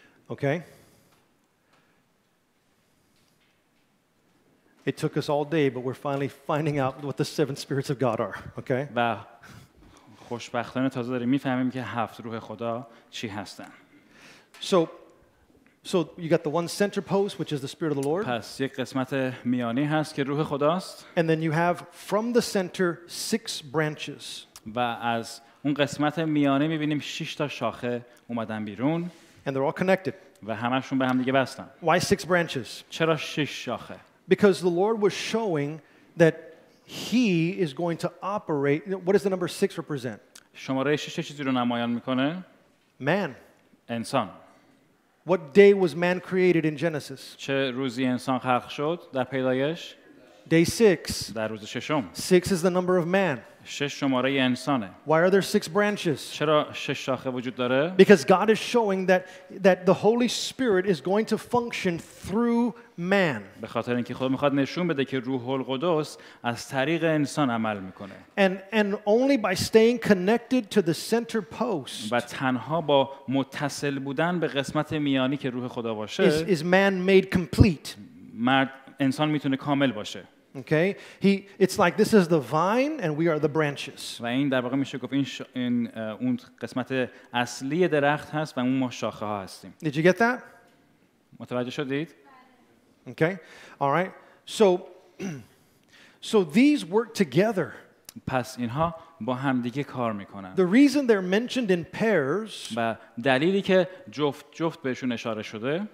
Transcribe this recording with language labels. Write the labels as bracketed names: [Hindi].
[English] Okay. It took us all day, but we're finally finding out what the seven spirits of God are. Okay. [Persian] و خوشبختانه تازه داریم میفهمیم که هفت روح خدا چی هستن. [English] So you got the one center post, which is the Spirit of the Lord. [Persian] پس یک قسمت میانی هست که روح خداست. [English] And then you have from the center six branches. [Persian] و از اون قسمت میانی میبینیم شش تا شاخه اومدن بیرون. [English] And they're all connected. [Persian] و همه‌شون به هم دیگه وصلن. [English] Why six branches? [Persian] چرا شش شاخه؟ [English] Because the Lord was showing that He is going to operate. What does the number six represent? [Persian] شماره شش چیزی رو نمایان می‌کنه. [English] Man. [Persian] انسان. [English] What day was man created in Genesis? [Persian] چه روزی انسان خلق شد در پیدایش؟ [English] Day six. [Persian] در روز ششم. [English] Six is the number of man. [Persian] شش شماره انسانه. [English] Why are there six branches? [Persian] چرا شش شاخه وجود داره؟ [English] Because God is showing that the Holy Spirit is going to function through man. [Persian] به خاطر اینکه خدا میخواد نشون بده که روح القدس از طریق انسان عمل میکنه. [English] And only by staying connected to the center post. [Persian] و تنها با متصل بودن به قسمت میانی که روح خدا باشه. [English] Is man made complete. [Persian] مرد انسان میتونه کامل باشه. [English] Okay? It's like this is the vine and we are the branches. [Persian] و این در واقع میشه گفت این اون قسمت اصلی درخت هست و اون ما شاخه ها هستیم. [English] Did you get that? [Persian] متوجه شدید؟ [English] Okay. All right. So these work together. [Persian] پس اینها با هم دیگه کار میکنن. [English] The reason they're mentioned in pairs. [Persian] و دلیلی که جفت بهشون اشاره شده.